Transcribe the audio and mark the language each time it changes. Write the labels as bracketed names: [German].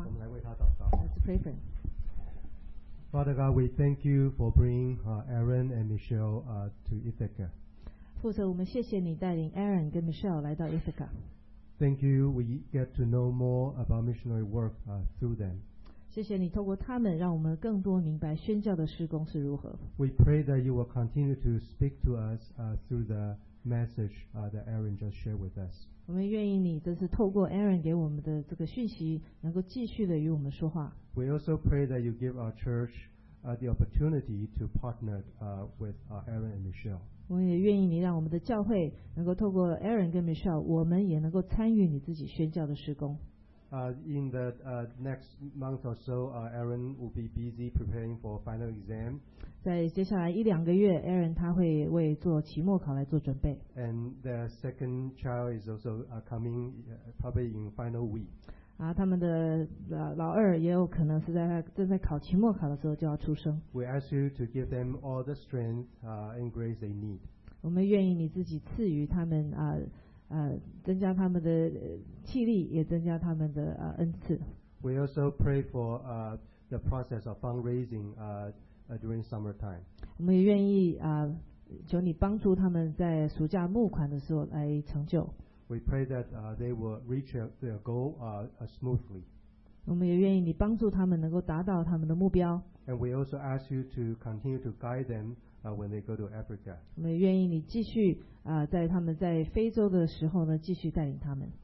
[English] Let's pray for him. Father God, we thank you for bringing Aaron and Michelle to Ithaca. [Chinese] 父神，我们谢谢你带领 Aaron 跟 Michelle 来到 Ithaca. [English] Thank you. We get to know more about missionary work through them. [Chinese] 谢谢你透过他们，让我们更多明白宣教的事工是如何。 [English] We pray that you will continue to speak to us through the message that Aaron just shared with us. [Chinese] 我们愿意你这次透过 Aaron 给我们的这个讯息，能够继续的与我们说话。 [English] We also pray that you give our church the opportunity to partner with Aaron and Michelle. [Chinese] 我们也愿意你让我们的教会能够透过 Aaron 跟 Michelle， 我们也能够参与你自己宣教的事工。 [English] In the next month or so, Aaron will be busy preparing for final exam. [Chinese] 在接下来一两个月 ，Aaron 他会为做期末考来做准备。 [English] And the second child is also coming probably in final week. [Chinese] 啊，他们的老二也有可能是在正在考期末考的时候就要出生。 [English] We ask you to give them all the strength and grace they need. [Chinese] 我们愿意你自己赐予他们啊。增加他们的气力，也增加他们的恩赐。 [English] We also pray for the process of fundraising during summertime. [Chinese] 我们也愿意求你帮助他们在暑假募款的时候来成就。 [English] We pray that they will reach their goal smoothly. [Chinese] 我们也愿意你帮助他们能够达到他们的目标。 [English] And we also ask you to continue to guide them. When they go to Africa, [Chinese] 我们愿意你继续在他们在非洲的时候呢，继续带领他们。